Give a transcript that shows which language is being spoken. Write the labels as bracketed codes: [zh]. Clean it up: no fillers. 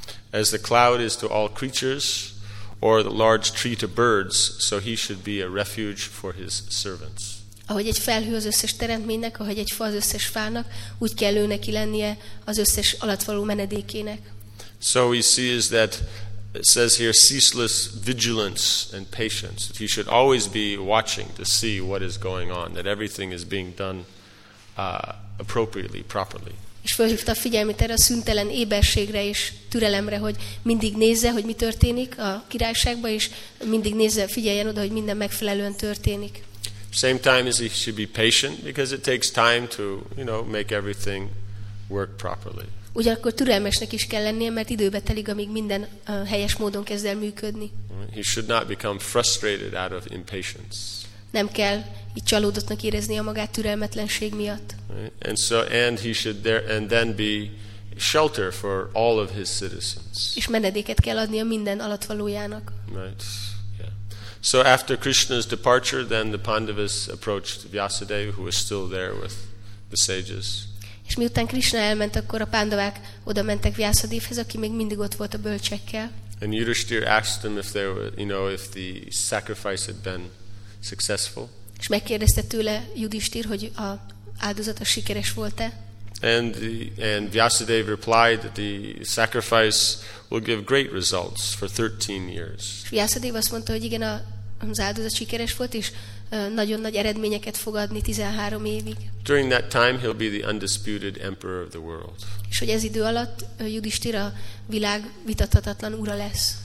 [en] As the cloud is to all creatures or the large tree to birds, so he should be a refuge for his servants. [hu] Ahogy egy felhő az összes teremtménynek, ahogy egy fa az összes fának, úgy kell ő neki lennie az összes alattvaló menedékének. [en] So we see is that it says here ceaseless vigilance and patience. He should always be watching to see what is going on, that everything is being done appropriately, properly. [hu] És felhívta a figyelmét erre a szüntelen éberségre és türelemre, hogy mindig nézze, hogy mi történik a királyságban, és mindig nézze, figyeljen oda, hogy minden megfelelően történik. [en] Same time as he should be patient, because it takes time to, you know, make everything work properly. [hu] Ugyanakkor türelmesnek is kell lennie, mert időbe telik, amíg minden helyes módon kezd el működni. [en] He should not become frustrated out of impatience. [hu] Nem kell így csalódottnak éreznie magát türelmetlenség miatt. [en] Right. And so and he should there and then be shelter for all of his citizens. [hu] És menedéket kell adnia minden alattvalójának. [en] Right. Yeah. So after Krishna's departure, then the Pandavas approached Vyasadeva, who was still there with the sages. [hu] És miután Krishna elment, akkor a Pándavák oda mentek Vyasadevhez, aki még mindig ott volt a bölcsekkel. [en] And Yudhishthira asked them if they were, you know, if the sacrifice had been successful. [hu] És megkérdezte tőle Yudhishthira, hogy a áldozat a sikeres volt-e. [en] And Vyasadeva replied that the sacrifice will give great results for 13 years. [hu] Vyasadeva azt mondta, hogy igen, az áldozat sikeres volt, és nagyon nagy eredményeket fog adni 13 évig. [en] During that time he'll be the undisputed emperor of the world. [hu] És hogy ez idő alatt Yudhishthira világ vitathatatlan ura lesz.